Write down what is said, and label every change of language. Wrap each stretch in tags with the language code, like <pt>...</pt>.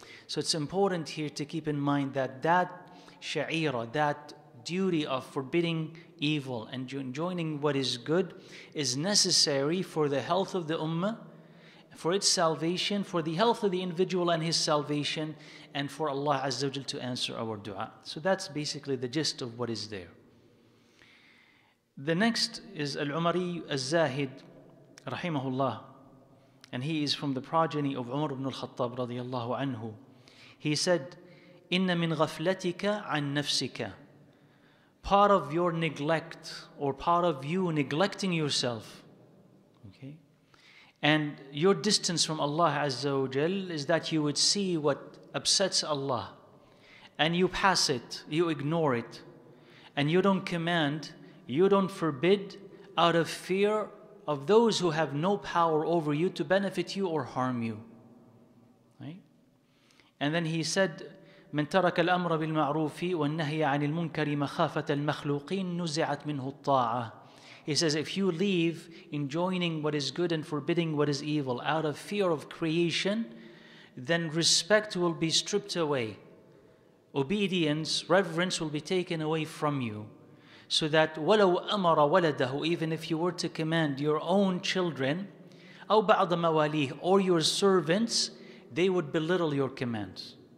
<en>So it's important here to keep in mind that that sha'ira, that duty of forbidding evil and enjoining what is good, is necessary for the health of the ummah, for its salvation, for the health of the individual and his salvation, and for Allah Azza wa Jal to answer our dua. So that's basically the gist of what is there. The next is Al-Umari Al-Zahid Rahimahullah, and he is from the progeny of Umar ibn al-Khattab radiyallahu anhu. He said,</en> <ar>إِنَّ مِنْ غَفْلَتِكَ عَنْ نَفْسِكَ.</ar> <en>Part of your neglect, or part of you neglecting yourself, okay, and your distance from Allah Azza wa Jal, is that you would see what upsets Allah and you pass it, you ignore it, and you don't command, you don't forbid, out of fear of those who have no power over you to benefit you or harm you. Right? And then he said,</en> <ar>مَنْ تَرَكَ الْأَمْرَ بِالْمَعْرُوفِ وَالنَّهْيَ عَنِ الْمُنْكَرِ مَخَافَةَ الْمَخْلُوقِينَ نُزِعَتْ مِنْهُ الطَّاعَةِ.</ar> <en>He says, if you leave enjoining what is good and forbidding what is evil out of fear of creation, then respect will be stripped away. Obedience, reverence will be taken away from you. So that</en> <ar>وَلَوْ أَمَرَ وَلَدَهُ,</ar> <en>even if you were to command your own children,</en> <ar>أَوْ بَعْضَ مَوَالِيهِ,</ar> <en>or your servants, they would belittle your commands.</en>